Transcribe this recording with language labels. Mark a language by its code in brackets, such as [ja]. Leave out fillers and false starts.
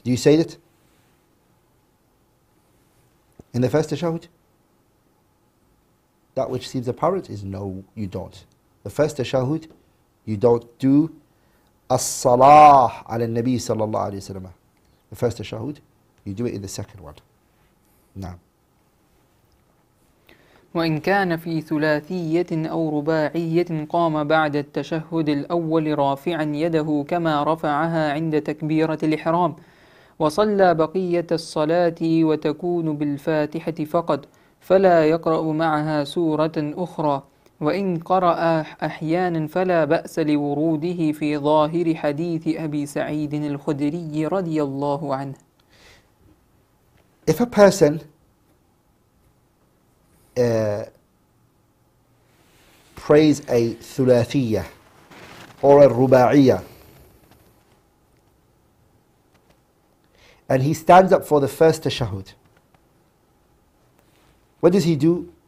[en] Do you say it in the first tashahud? That which seems apparent is no, you don't. The first tashahud, you don't do as-salah ala nabi sallallahu alayhi wa sallam. The first tashahud, you do it in the second one. Naam. [ar] وإن كان في ثلاثية أو رباعية قام بعد التشهد الأول رافعا يده كما رفعها عند تكبيرة الإحرام، وصلى بقية الصلاة وتكون بالفاتحة فقط، فلا يقرأ معها سورة أخرى، وإن قرأ أحيانا فلا بأس لوروده في ظاهر حديث أبي سعيد الخدري رضي الله عنه. [en] If a person prays a thulathiyya or a ruba'iyya, and he stands up for the first tashahud, what does he do?